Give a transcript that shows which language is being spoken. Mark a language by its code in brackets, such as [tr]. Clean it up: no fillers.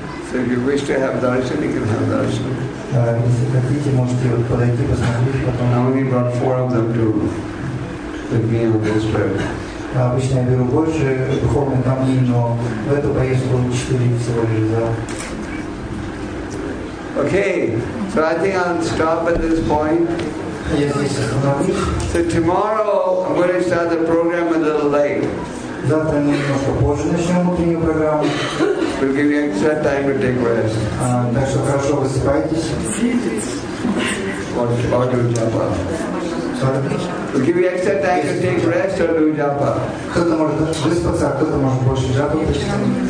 [en] So if you wish to have darshan, you can have darshan. [ru] Если хотите, можете вот подойти, посмотреть, потом... [en] I only brought four of them to the meal of this trip. [ru] Обычно я беру больше духовных камней, но в эту поездку четыре всего лишь взял. [en] Okay, so I think I'll stop at this point. [ru] Я здесь остановлюсь. [en] So tomorrow I'm going to start the program a little late. [ru] Завтра мы немножко позже начнем утреннюю программу. [en] We'll give you extra time to take rest. [ru] Так что хорошо высыпайтесь. [en] Or do japa. Sorry? We'll give you extra time to take rest or do japa. [ru] Кто-то может выспаться, а кто-то может больше джапа почитать.